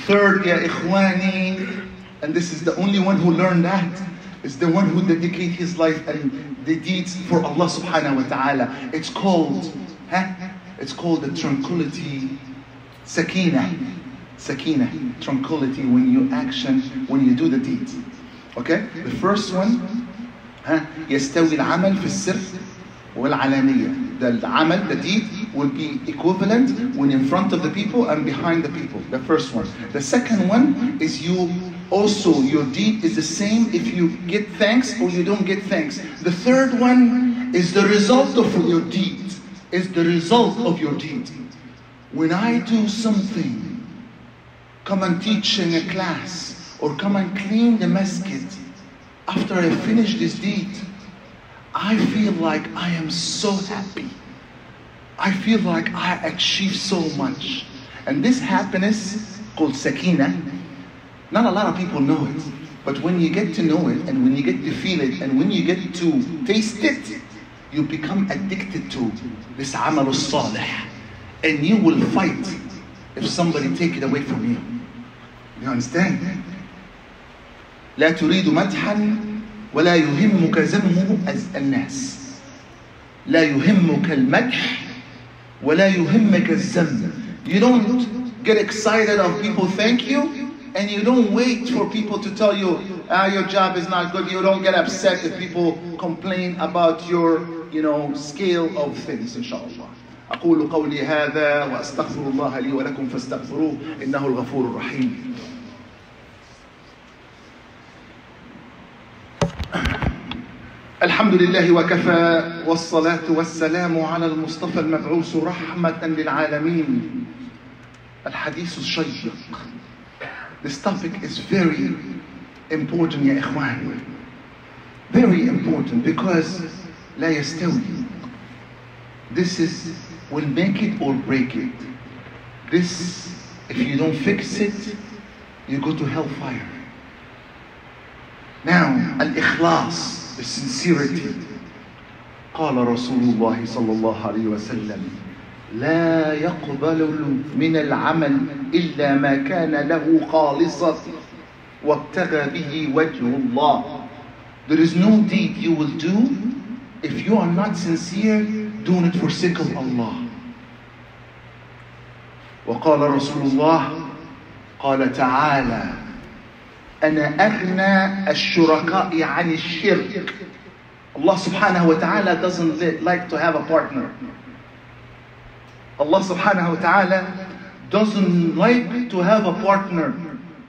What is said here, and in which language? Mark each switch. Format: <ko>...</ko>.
<en>Third, ya ikhwani, and this is the only one who learned that, is the one who dedicate his life and the deeds for Allah subhanahu wa ta'ala. It's called, it's called the tranquility, sakina, tranquility, when you action, when you do the deed. Okay, the first one,</en> <ar>يستوي العمل في السر والعلانية.</ar> <en>The عمل, the deed, will be equivalent when in front of the people and behind the people. The first one. The second one is you also, your deed is the same if you get thanks or you don't get thanks. The third one is the result of your deed. Is the result of your deed. When I do something, come and teach in a class or come and clean the masjid, after I finish this deed, I feel like I am so happy. I feel like I achieved so much. And this happiness called sakina, not a lot of people know it. But when you get to know it, and when you get to feel it, and when you get to taste it, you become addicted to this amal salih. And you will fight if somebody take it away from you. You understand?</en> <ar>لا تريد مدحا ولا يهمك ذمه الناس. لا يهمك المدح ولا يهمك الذم.</ar> <en>You don't get excited of people thank you, and you don't wait for people to tell you your job is not good. You don't get upset if people complain about your, you know, scale of things, inshallah.</en> <ar>أقول قولي هذا وأستغفر الله لي ولكم فاستغفروه إنه الغفور الرحيم. الحمد لله وكفى والصلاة والسلام على المصطفى المبعوث رحمة للعالمين. الحديث الشيق.</ar> <en>This topic is very important</en> <ar>يا إخوان.</ar> <en>Very important because</en> <ar>لا يستوي.</ar> <en>This is will make it or break it. This, if you don't fix it, you go to hellfire. Now, al-ikhlas, the sincerity.</en> <ar>قال رسول الله صلى الله عليه وسلم لا يقبل من العمل إلا ما كان له خالصة وابتغى به وجه الله.</ar> <en>There is no deed you will do if you are not sincere doing it for sake of Allah.</en> <ar>وقال رسول الله قال تعالى أنا أغنى الشركاء عن الشرك.</ar> <en>Allah subhanahu wa ta'ala doesn't like to have a partner. Allah subhanahu wa ta'ala doesn't like to have a partner.</en>